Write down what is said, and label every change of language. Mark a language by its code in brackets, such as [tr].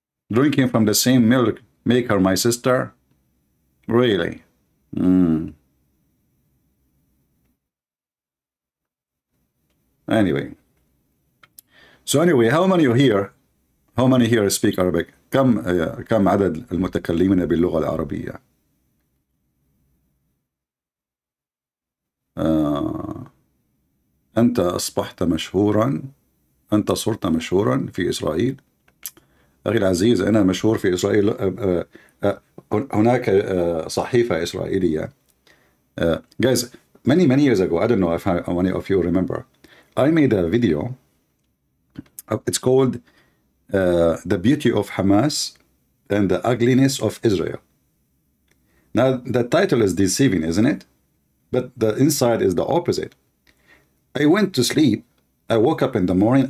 [en] Drinking from the same milk, make her my sister? Really? Anyway. So anyway, how many here? How many here speak Arabic? [ar] كم كم عدد المتكلمين باللغة العربية؟ أنت أصبحت مشهورا. أنت صرت مشهورا في إسرائيل. أخي العزيز, أنا مشهور في إسرائيل. هناك صحيفة إسرائيلية. [en] Guys, many years ago, I don't know if many of you remember, I made a video. It's called The Beauty of Hamas and the Ugliness of Israel. Now, the title is deceiving, isn't it? But the inside is the opposite. I went to sleep. I woke up in the morning.